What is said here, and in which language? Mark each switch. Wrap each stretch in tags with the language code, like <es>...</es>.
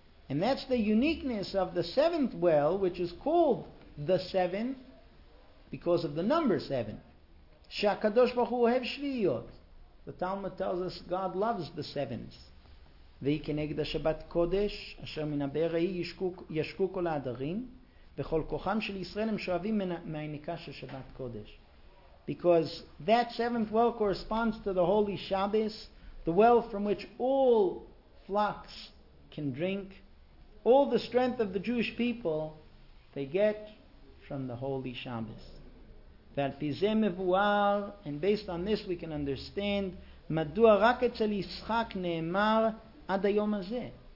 <en>And that's the uniqueness of the 7th well, which is called the 7th because of the number 7.</en> <he>שהקדוש ברוך הוא אוהב שביעיות.</he> <en>The Talmud tells us God loves the 7s.</en> <he>והיא כנגד השבת קודש אשר מן הבאר ההיא ישקו כל האדרים וכל כוחם של ישראל הם שואבים מהעניקה של שבת קודש.</he> <en>Because that 7th well corresponds to the Holy Shabbos, the well from which all flocks can drink, all the strength of the Jewish people, they get from the Holy Shabbos.</en> <he>Ve'al pi zeh mevu'ar,</he> <en>and based on this we can understand,</en> <he>madu rak etzel Yitzchak ne'emar ad hayom hazeh.</he>